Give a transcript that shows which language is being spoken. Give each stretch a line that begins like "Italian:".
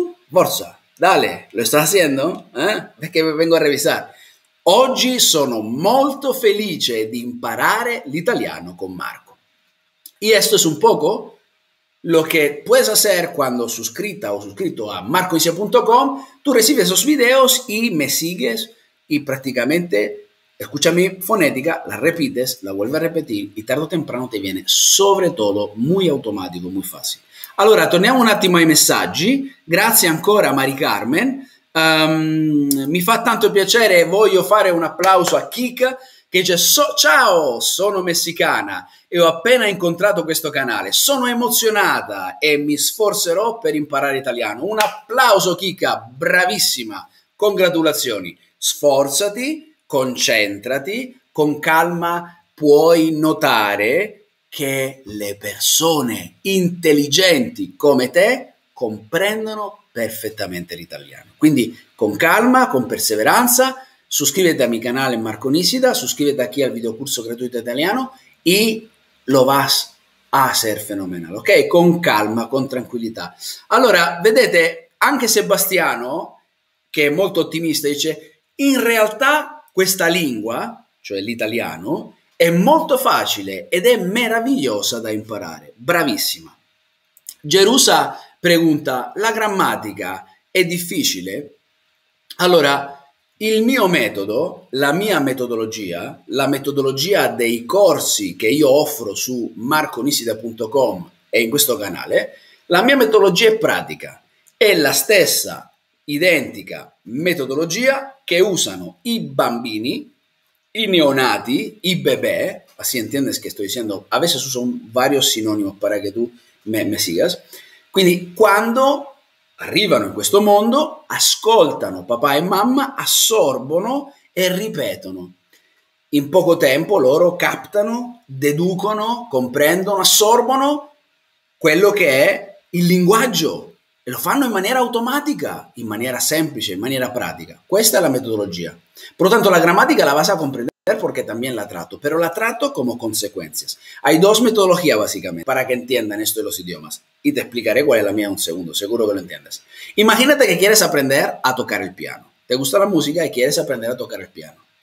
Italian: Forza, dale, lo sta facendo? Perché vengo a revisare. Oggi sono molto felice di imparare l'italiano con Marco.
Spanish: Y esto es un poco lo que puedes hacer cuando suscrita o suscrito a marcoinsia.com. Tú recibes esos videos y me sigues y prácticamente escucha mi fonética, la repites, la vuelves a repetir y tarde o temprano te viene sobre todo muy automático, muy fácil.
Italian: Allora, torniamo un attimo ai messaggi. Grazie ancora a Mari Carmen. Mi fa tanto piacere e voglio fare un applauso a Kika che dice ciao, sono messicana e ho appena incontrato questo canale. Sono emozionata e mi sforzerò per imparare italiano. Un applauso Kika, bravissima, congratulazioni. Sforzati, concentrati, con calma puoi notare che le persone intelligenti come te comprendono perfettamente l'italiano. Quindi con calma, con perseveranza,
Spanish: suscríbete a mi canale Marco Nisida, suscríbete aquí al videocurso gratuito italiano y lo vas a hacer fenomenal, ¿ok? Con calma, con tranquilidad.
Italian: Allora, vedete, anche Sebastiano, che è molto ottimista, dice in realtà questa lingua, cioè l'italiano, è molto facile ed è meravigliosa da imparare. Bravissima. Gerusa
Spanish: pregunta,
Italian: la grammatica è difficile? Allora, il mio metodo, la mia metodologia, la metodologia dei corsi che io offro su marconisida.com e in questo canale, la mia metodologia è pratica. È la stessa, identica metodologia che usano i bambini, i neonati, i bebè,
Spanish: así entiendes que estoy diciendo, a veces uso varios sinónimos para que tú me sigas.
Italian: Quindi quando arrivano in questo mondo, ascoltano papà e mamma, assorbono e ripetono. In poco tempo loro captano, deducono, comprendono, assorbono quello che è il linguaggio e lo fanno in maniera automatica, in maniera semplice, in maniera pratica. Questa è la metodologia. Pertanto la grammatica
Spanish: la vas a comprendere porque también la trato, pero la trato como consecuencias. Hay dos metodologías básicamente para que entiendan esto de los idiomas y te explicaré cuál es la mía en un segundo, seguro que lo entiendes. Imagínate que quieres aprender a tocar el piano. Te gusta la música y quieres aprender a tocar el piano.